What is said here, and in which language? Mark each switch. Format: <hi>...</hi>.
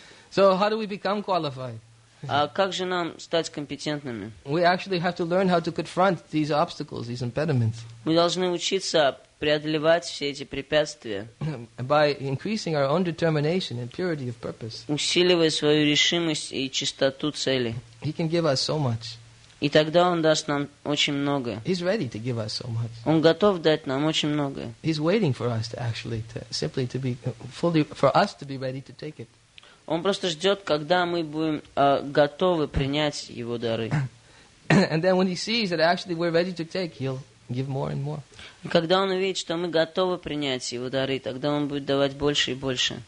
<en>So how do we become qualified?</en> <ru>А как же нам стать компетентными?</ru> <en>We actually have to learn how to confront these obstacles, these impediments.</en> <ru>Мы должны учиться преодолевать все эти препятствия.</ru> <en>By increasing our own determination and purity of purpose.</en> <ru>Усиливая свою решимость и чистоту цели.</ru> <en>He can give us so much.</en> <ru>И тогда он даст нам очень многое.</ru> <en>He's ready to give us so much.</en> <ru>Он готов дать нам очень многое.</ru> <en>He's waiting for us to actually to simply to be fully for us to be ready to take it.</en> <ru>Он просто ждет, когда мы будем готовы принять его дары.</ru> <en>And then when he sees that actually we're ready to take, he'll give more and more.</en> <ru>И когда он увидит, что мы готовы принять его дары, тогда он будет давать больше и больше.</ru>